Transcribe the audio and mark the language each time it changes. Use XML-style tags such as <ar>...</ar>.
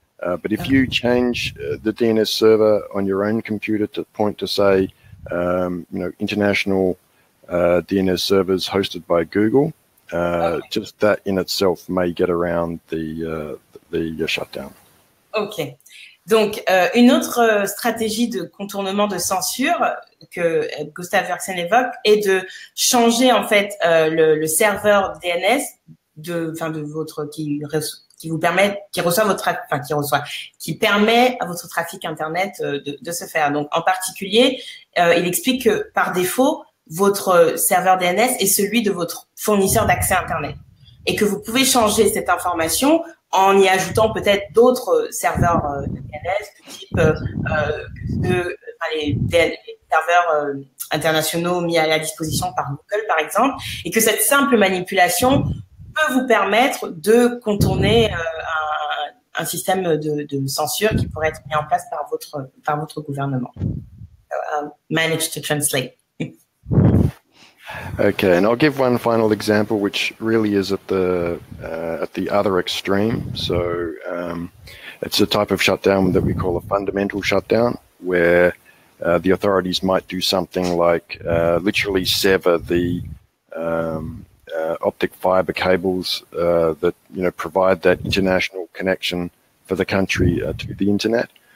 <en>But if you change the DNS server on your own computer to point to, say, you know, international DNS servers hosted by Google, just that in itself may get around the shutdown. Okay.</en> <fr>Donc, une autre stratégie de contournement de censure que Gustav Wörksen évoque est de changer, en fait, le serveur DNS qui permet à votre trafic Internet de se faire. Donc, en particulier, il explique que par défaut, votre serveur DNS est celui de votre fournisseur d'accès Internet et que vous pouvez changer cette information en y ajoutant peut-être d'autres serveurs DNS, du type les serveurs internationaux mis à la disposition par Google, par exemple, et que cette simple manipulation peut vous permettre de contourner un système de censure qui pourrait être mis en place par votre gouvernement.</fr> <en>Manage to translate. Okay, and I'll give one final example, which really is at the other extreme. So it's a type of shutdown that we call a fundamental shutdown, where the authorities might do something like literally sever the optic fiber cables that, you know, provide that international connection for the country to the internet.</en>